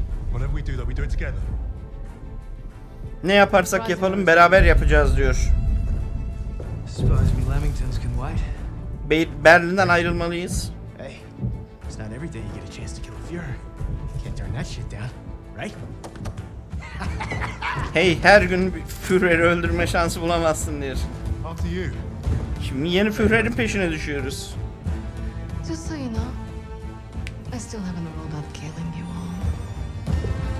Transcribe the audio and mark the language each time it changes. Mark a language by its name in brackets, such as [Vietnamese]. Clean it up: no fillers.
[English] Whatever we do, though, we do it together. [Turkish] Ne yaparsak yapalım, beraber yapacağız diyor. [English] Suppose we Lamingtons can wait. [Turkish] Berlin'den ayrılmalıyız. [English] Hey, it's not every day you get a chance to kill a Führer. You can't turn that shit down, right? [Turkish] Hey, her gün Führer'i öldürme şansı bulamazsın diyor. Şimdi yeni Führer'in peşine düşüyoruz. [English] Just so you know, I still have an role about killing you all.